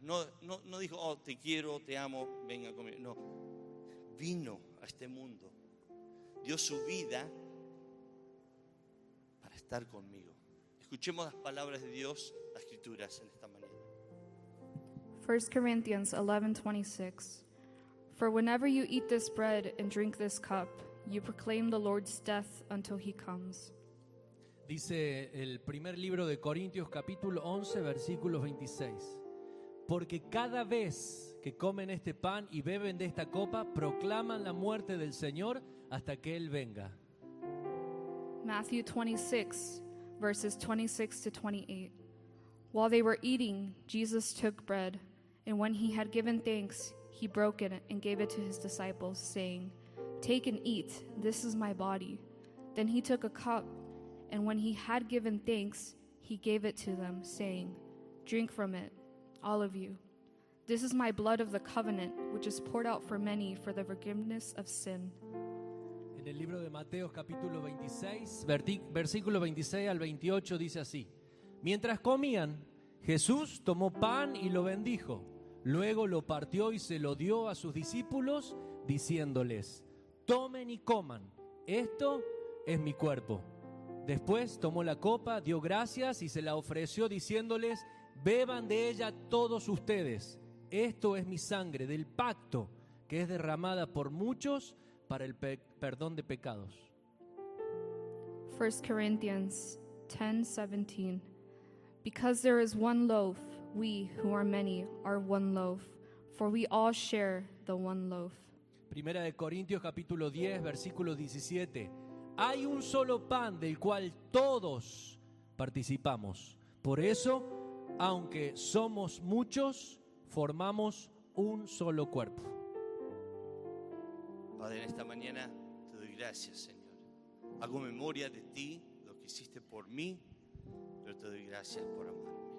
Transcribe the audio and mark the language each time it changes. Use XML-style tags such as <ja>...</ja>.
<es>No dijo, oh, te quiero, te amo, venga conmigo. No, vino a este mundo, dio su vida para estar conmigo. Escuchemos las palabras de Dios, las escrituras en esta mañana.</es> <en>1 Corinthians 11:26. For whenever you eat this bread and drink this cup, you proclaim the Lord's death until he comes.</en> <es>Dice el primer libro de Corintios, capítulo 11, versículo 26. Porque cada vez que comen este pan y beben de esta copa, proclaman la muerte del Señor hasta que Él venga.</es> <en>Matthew 26, verses 26 to 28. While they were eating, Jesus took bread, and when he had given thanks, he broke it and gave it to his disciples, saying, take and eat, this is my body. Then he took a cup, and when he had given thanks, he gave it to them, saying, drink from it, all of you. This is my blood of the covenant, which is poured out for many for the forgiveness of sin.</en> <es>En el libro de Mateo, capítulo 26, versículo 26 al 28, dice así. Mientras comían, Jesús tomó pan y lo bendijo. Luego lo partió y se lo dio a sus discípulos, diciéndoles, tomen y coman, esto es mi cuerpo. Después tomó la copa, dio gracias y se la ofreció diciéndoles, beban de ella todos ustedes. Esto es mi sangre del pacto que es derramada por muchos para el perdón de pecados.</es> <en>1 Corinthians 10:17. Because there is one loaf, we who are many are one loaf, for we all share the one loaf.</en> <es>Primera de Corintios capítulo 10, versículo 17. Hay un solo pan del cual todos participamos. Por eso, aunque somos muchos, formamos un solo cuerpo. Padre, en esta mañana te doy gracias, Señor. Hago memoria de ti, lo que hiciste por mí, pero te doy gracias por amar.</es>